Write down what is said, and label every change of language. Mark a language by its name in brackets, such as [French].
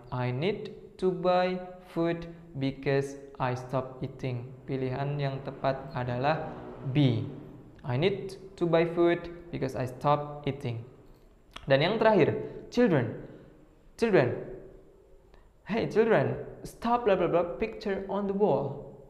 [English] I need to buy food because I stopped eating. [Indonesian] Pilihan yang tepat adalah B. [English] I need to buy food because I stopped eating. [Indonesian] Dan yang terakhir, [English] children. Children. Hey children, stop blah blah blah picture on the wall.